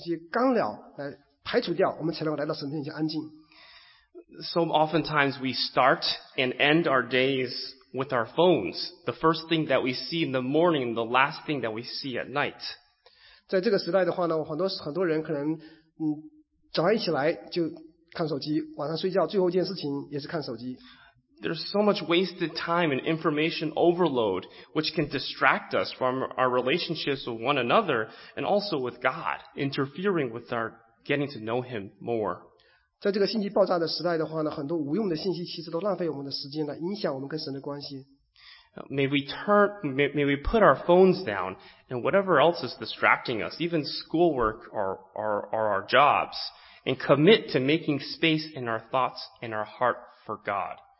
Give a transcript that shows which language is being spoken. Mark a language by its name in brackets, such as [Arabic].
[Chinese] 在现在我们这个是信息化的时代，我们需要把一些干扰来排除掉，我们才能够来到神面前安静。 [English] So oftentimes we start and end our days with our phones, the first thing that we see in the morning, the last thing that we see at night. [Chinese] 在这个时代的话呢，很多人可能早上一起来就看手机，晚上睡觉最后一件事情也是看手机。 [English] There's so much wasted time and information overload, which can distract us from our relationships with one another and also with God, interfering with our getting to know Him more. [Chinese] 在这个信息爆炸的时代的话呢，很多无用的信息其实都浪费我们的时间来影响我们跟神的关系。 [English] May we put our phones down and whatever else is distracting us, even schoolwork or our jobs, and commit to making space in our thoughts and our heart for God.